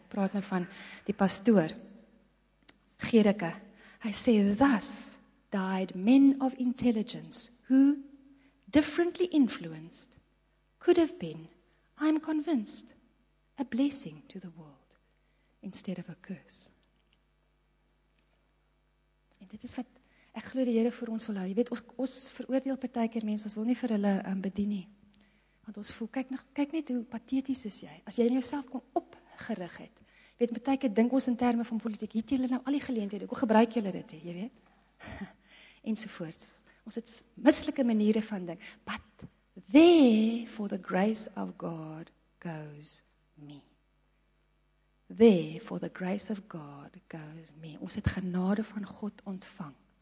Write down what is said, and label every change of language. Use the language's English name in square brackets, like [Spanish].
[Afrikaans] Ek praat nou van die pastoor, Gerike. [English] Hy sê, thus died men of intelligence, who, differently influenced, could have been, I'm convinced, a blessing to the world. Instead of a curse. [Afrikaans] En dit is wat ek glo die Here vir ons wil hou. Jy weet, ons veroordeel partykeer mense, ons wil nie vir hulle bedien nie. Want ons voel, kyk net hoe pateties is jy. As jy in jouself kon opgerig het. Jy weet, partykeer dink ons in terme van politiek, het julle nou al die geleenthede, hoe gebruik julle dit, jy weet? Ensovoorts. Ons het mislike maniere van dink. [English] But there for the grace of God goes me. There, for the grace of God goes me. [Afrikaans] Ons het genade van God ontvang.